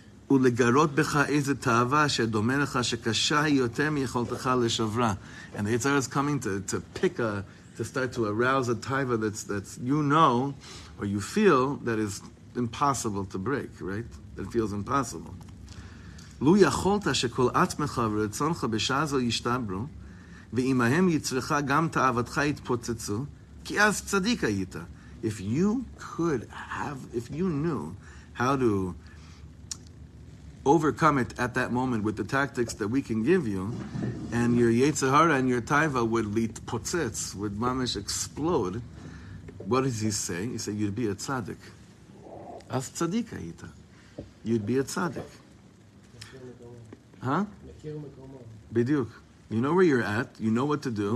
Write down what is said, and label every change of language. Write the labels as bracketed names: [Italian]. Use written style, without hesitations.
[Hebrew] ולגרות בך איזה תאווה שדומה לך שקשה היא יותר מיכולתך לשברה. [English] And the Yitzhar is coming to start to arouse a taiva that's you know, or you feel, that is impossible to break, right? That feels impossible. [Hebrew] לו יכולת שכל עצמך ורצונך בשעה זו ישתברו, ואימהם יצריך גם תאוותך יתפוצצו, כי אז צדיק היית. [English] If you knew how to overcome it at that moment with the tactics that we can give you, and your Yetzirah and your Taiva would litpotzetz, would mamish explode, what does he say? He said, you'd be a tzaddik. [Hebrew] As tzaddik hayita. [English] You'd be a tzaddik. Huh? Bidyuk. You know where you're at. You know what to do.